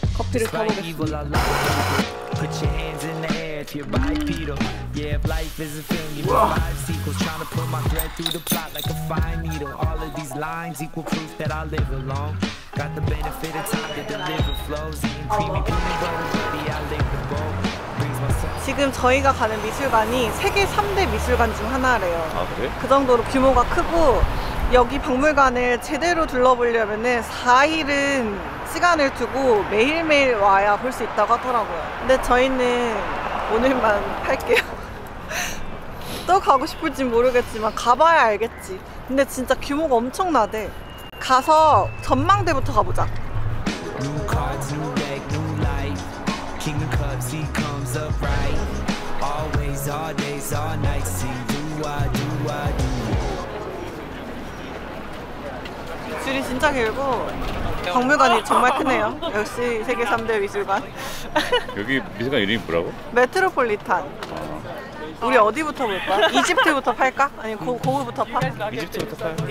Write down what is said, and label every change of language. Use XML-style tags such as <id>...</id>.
<en>Despite evil, I love people. Put your hands in the air if you're bipedal. Yeah, if life is a film, you need five sequels. Trying to put my thread through the plot like a fine needle. All of these lines equal proof that I live alone. Got the benefit of time to deliver flows. Eating creamy peanut butter, baby, I live the bowl.</en> <ko>지금 저희가 가는 미술관이 세계 3대 미술관 중 하나래요. 아, 그래? 그 정도로 규모가 크고 여기 박물관을 제대로 둘러보려면 4일은 시간을 두고 매일매일 와야 볼 수 있다고 하더라고요. 근데 저희는 오늘만 할게요. 또 가고 싶을진 모르겠지만 가봐야 알겠지. 근데 진짜 규모가 엄청나대. 가서 전망대부터 가보자.</ko> <en>New cards, new deck, new life. King of Cups, he comes up right. Always, all days, all nights. See, do I, do I, do.</en> <ko>줄이 진짜 길고 박물관이 정말 크네요. 역시 세계 3대 미술관. 여기 미술관 이름이 뭐라고? 메트로폴리탄. 아. 우리 어디부터 볼까? 이집트부터 팔까? 아니 고구부터 파? 이집트부터 파.</ko>